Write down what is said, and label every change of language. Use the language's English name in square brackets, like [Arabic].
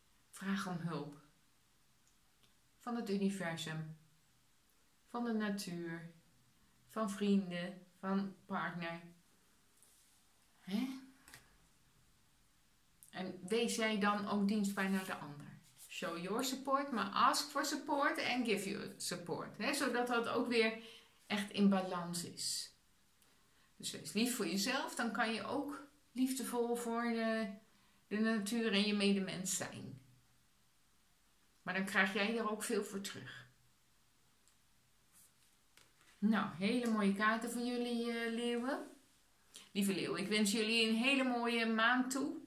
[Dutch] Vraag om hulp. Van het universum. Van de natuur. Van vrienden. Van partner. Hè? En wees jij dan ook dienstbaar naar de ander. [English] Show your support, [Dutch] maar [English] ask for support and give your support. [Dutch] Hè? Zodat dat ook weer echt in balans is. Dus wees lief voor jezelf, dan kan je ook liefdevol voor de natuur en je medemens zijn. Maar dan krijg jij er ook veel voor terug. Nou, hele mooie kaarten van jullie, leeuwen. Lieve leeuw, ik wens jullie een hele mooie maand toe.